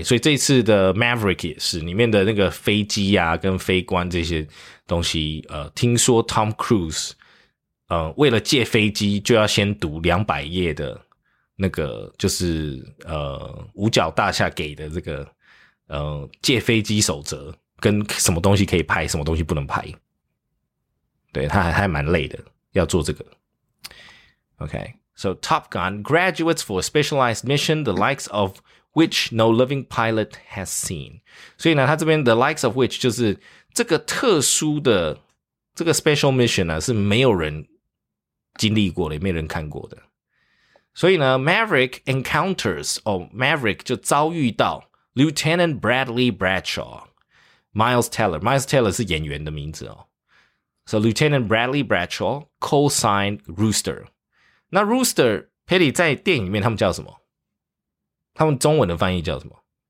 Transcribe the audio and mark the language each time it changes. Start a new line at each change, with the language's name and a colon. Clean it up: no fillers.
Chinese: 所以这次的 Maverick 也是，里面的那个飞机啊跟非官这些东西，听说 Tom Cruise, 为了借飞机就要先读200页的那个，就是五角大厦给的这个借飞机守则。跟什么东西可以拍，什么东西不能拍。对，他还蛮累的，要做这个。
English: Okay, so Top Gun graduates for a specialized mission, the likes of which no living pilot has seen.
Chinese: 所以呢，他这边
English: the likes of which
Chinese: 就是这个特殊的这个
English: special mission
Chinese: 呢，是没有人经历过的，也没人看过的。所以呢 ，
English: Maverick encounters,
Chinese: Maverick 就遭遇到 Lieutenant Bradley Bradshaw.
English: Miles Teller
Chinese: 是演员的名字哦。
English: So Lieutenant Bradley Bradshaw, call sign Rooster.
Chinese: 那 Rooster, Patty, 在电影里面他们叫什么？他们中文的翻译叫什么？